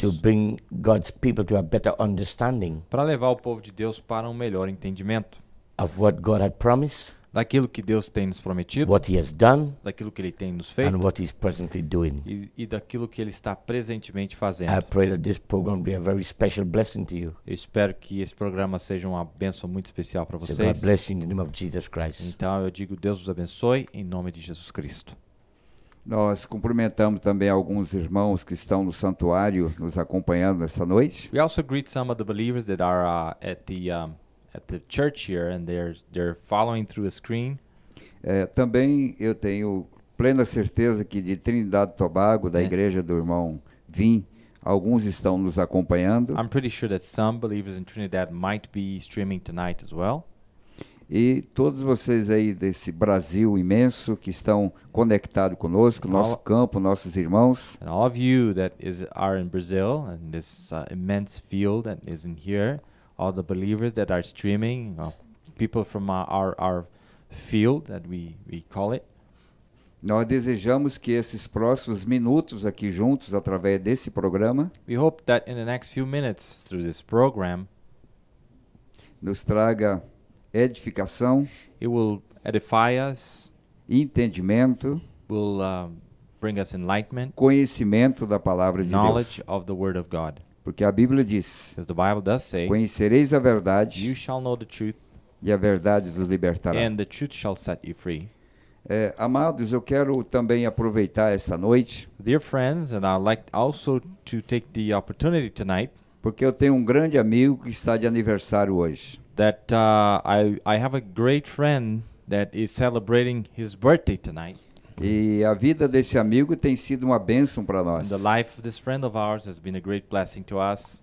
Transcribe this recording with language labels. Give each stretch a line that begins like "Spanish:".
English: To bring God's people to a better understanding.
Portuguese: Para levar o povo de Deus para um melhor entendimento.
English: of what God had promised.
Portuguese: Daquilo que Deus tem nos prometido.
English: What he has done.
Portuguese: Daquilo que ele tem nos feito.
English: And what he's presently doing.
Portuguese: E daquilo que ele está presentemente fazendo.
English: I pray that this program be a very special blessing to you.
Portuguese: Eu espero que esse programa seja uma bênção muito especial para vocês.
English: So God bless you in the name of Jesus Christ.
Portuguese: Então eu digo, Deus os abençoe em nome de Jesus Cristo. Nós cumprimentamos também alguns irmãos que estão no santuário nos acompanhando nessa noite.
English: We also greet some of the believers that are at the church here, and they're following through a screen.
Portuguese: Também eu tenho plena certeza que de Trinidad e Tobago, da igreja do irmão Vim, alguns estão nos acompanhando.
English: I'm pretty sure that some believers in Trinidad might be streaming tonight as well.
Portuguese: E todos vocês aí desse Brasil imenso que estão conectados conosco, nosso campo, nossos irmãos.
English: And all of you that are in Brazil, and this immense field that is in here, all the believers that are streaming, people from our field that we call it.
Portuguese: Nós desejamos que esses próximos minutos aqui juntos através desse programa.
English: We hope that in the next few minutes through this program.
Portuguese: Nos traga edificação.
English: It will edify us.
Portuguese: Entendimento.
English: Will bring us enlightenment.
Portuguese: Conhecimento da palavra de Deus.
English: Knowledge of the word of God.
Portuguese: Porque a Bíblia diz,
English: the Bible does say,
Portuguese: conhecereis a verdade,
English: you shall know the truth,
Portuguese: e a verdade vos libertará.
English: And the truth shall set you free.
Portuguese: Amados, eu quero também aproveitar essa noite.
English: Dear friends, and I'd like also to take the opportunity tonight.
Portuguese: Porque eu tenho um grande amigo que está de aniversário hoje.
English: That I have a great friend that is celebrating his birthday tonight.
Portuguese: E a vida desse amigo tem sido uma bênção para nós.
English: The life of this friend of ours has been a great blessing to us.